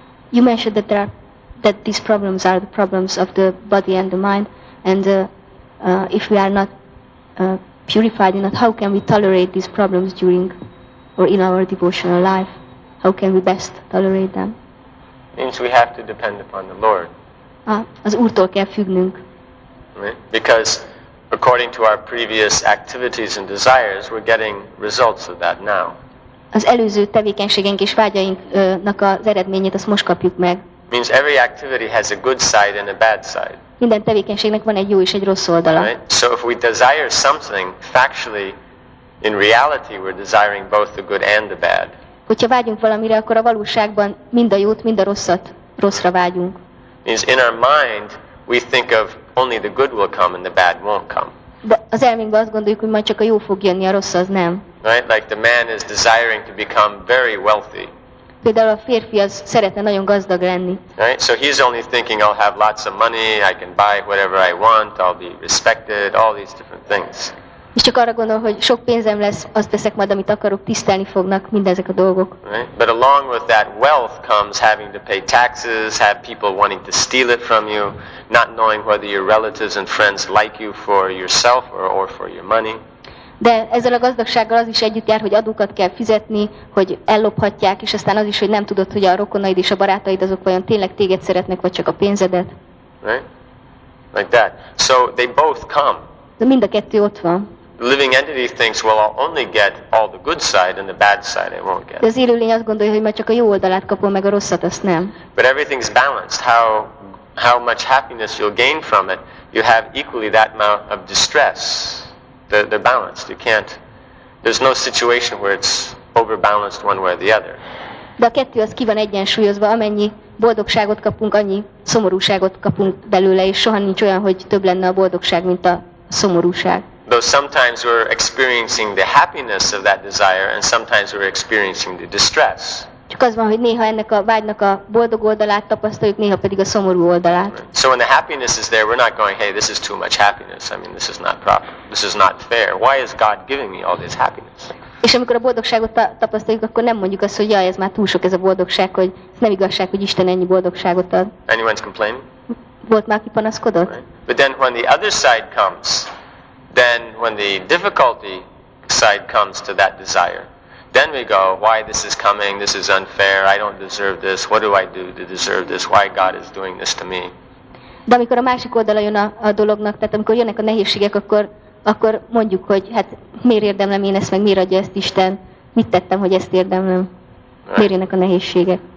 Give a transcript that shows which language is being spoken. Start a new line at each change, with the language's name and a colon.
English: You mentioned that there are, that these problems are the problems of the body and the mind, and if we are not purified enough, how can we tolerate these problems during or in our devotional life? How can we best tolerate them? Means we have to depend upon the Lord.
Hungarian: Az Úrtól kell függnünk.
English: Because according to our previous activities and desires, we're getting results of that now.
Hungarian: Az előző tevékenységünk és vágyainknak az eredményét azt most kapjuk meg.
English: Means every activity has a good side and a bad side.
Hungarian: Minden tevékenységnek van egy jó és egy rossz oldala.
English: Right? So if we desire something, factually, in reality, we're desiring both the good and the bad.
Hungarian: Hogyha vágyunk valamire, akkor a valóságban mind a jót, mind a rosszat, rosszra vágyunk.
English: Means in our mind, we think of only the good will come and the bad won't come.
Hungarian: De az elménkben azt gondoljuk, hogy majd csak a jó fog jönni, a rossz az nem.
English: Right, like the man is desiring to become very wealthy.
Hungarian: Például a férfi az szeretne nagyon gazdag lenni.
English: Right, so he's only thinking I'll have lots of money, I can buy whatever I want, I'll be respected, all these different things.
Hungarian: És csak arra gondol, hogy sok pénzem lesz, azt teszek majd, amit akarok, tisztelni fognak mindezek a dolgok.
English: Right, but along with that wealth comes having to pay taxes, have people wanting to steal it from you, not knowing whether your relatives and friends like you for yourself or for your money.
Hungarian: De ezzel a gazdagsággal az is együtt jár, hogy adókat kell fizetni, hogy ellophatják, és aztán az is, hogy nem tudod, hogy a rokonaid és a barátaid azok vajon tényleg téged szeretnek, vagy csak a pénzedet.
English: Right? Like that. So they both come.
Hungarian: De mind a kettő ott van.
English: The living entity thinks, well, I'll only get all the good side and the bad side I won't get.
Hungarian: De az élőlény azt gondolja, hogy majd csak a jó oldalát kapom, meg a rosszat, azt nem.
English: But everything's balanced. How much happiness you'll gain from it, you have equally that amount of distress. They're balanced. You can't. There's no situation where it's overbalanced one way or the other.
Hungarian: De a kettő az ki van egyensúlyozva, amennyi boldogságot kapunk, annyi szomorúságot kapunk belőle, és soha nincs olyan, hogy több lenne a boldogság, mint a szomorúság.
English: Though sometimes we're experiencing the happiness of that desire, and sometimes we're experiencing the distress.
Hungarian: Csak az van, hogy néha ennek a vágynak a boldog oldalát tapasztaljuk, néha pedig a szomorú oldalát.
English: So when the happiness is there, we're not going, hey, this is too much happiness. I mean, this is not proper. This is not fair. Why is God giving me all this happiness?
Hungarian: És amikor a boldogságot tapasztaljuk, akkor nem mondjuk azt, hogy jaj, ez már túl sok ez a boldogság, hogy ez nem igazság, hogy Isten ennyi boldogságot ad.
English: Anyone's complaining?
Hungarian: Volt már, aki panaszkodott?
English: Right. But then when the other side comes, then when the difficulty side comes to that desire, then we go, why this is coming, this is unfair, I don't deserve this, what do I do to deserve this, why God is doing this to me.
Hungarian: De amikor a másik oldala jön a dolognak, tehát amikor jönnek a nehézségek, akkor mondjuk, hogy hát miért érdemlem én ezt, meg miért adja ezt Isten, mit tettem, hogy ezt érdemlem, miért jönnek a nehézségek.